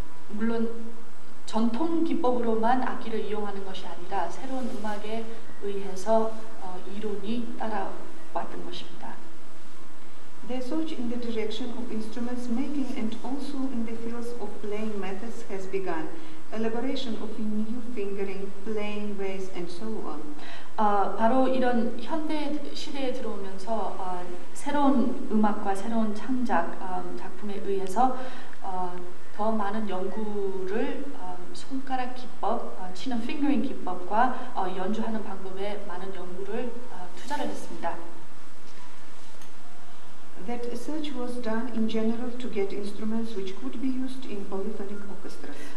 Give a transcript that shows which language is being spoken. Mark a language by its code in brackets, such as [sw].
[ko] 물론 전통 기법으로만 악기를 이용하는 것이 아니라 새로운 음악에 의해서 이론이 따라왔던 것입니다. [en] The search in the direction of instruments making and also in the fields of playing methods has begun. Elaboration of new fingering, playing ways, and so on. [ko] 바로 이런 현대 시대에 들어오면서 새로운 음악과 새로운 창작 작품에 의해서 더 많은 연구를 손가락 기법, 치는 fingering 기법과 연주하는 방법에 많은 연구를 투자를 했습니다. [en] That search was done in general to get instruments which could be used in polyphonic orchestras.